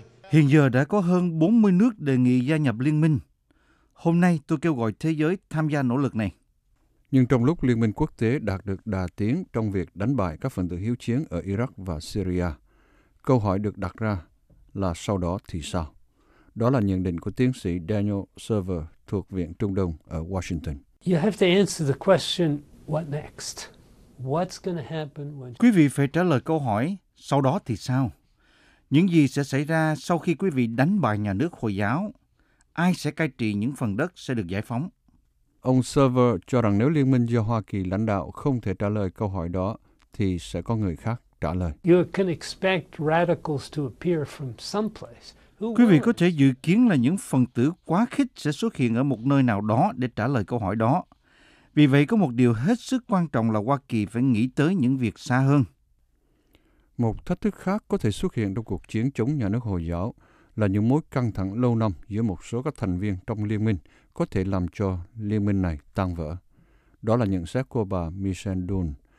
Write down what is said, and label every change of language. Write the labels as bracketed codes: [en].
[vi] Hiện giờ đã có hơn 40 nước đề nghị gia nhập liên minh. Hôm nay tôi kêu gọi thế giới tham gia nỗ lực này. Nhưng trong lúc liên minh quốc tế đạt được đà tiến trong việc đánh bại các phần tử hiếu chiến ở Iraq và Syria, câu hỏi được đặt ra là sau đó thì sao? Đó là nhận định của tiến sĩ Daniel Server thuộc Viện Trung Đông ở Washington. [en] You have to answer the question, what next? What's going to happen when... [vi] Quý vị phải trả lời câu hỏi, sau đó thì sao? Những gì sẽ xảy ra sau khi quý vị đánh bại nhà nước Hồi giáo? Ai sẽ cai trị những phần đất sẽ được giải phóng? Ông Server cho rằng nếu liên minh do Hoa Kỳ lãnh đạo không thể trả lời câu hỏi đó, thì sẽ có người khác trả lời. [en] You can expect radicals to appear from someplace. [vi] Quý vị có thể dự kiến là những phần tử quá khích sẽ xuất hiện ở một nơi nào đó để trả lời câu hỏi đó. Vì vậy, có một điều hết sức quan trọng là Hoa Kỳ phải nghĩ tới những việc xa hơn. Một thách thức khác có thể xuất hiện trong cuộc chiến chống nhà nước Hồi giáo là những mối căng thẳng lâu năm giữa một số các thành viên trong liên minh có thể làm cho liên minh này tan vỡ. Đó là nhận xét của bà Michelle Dunn,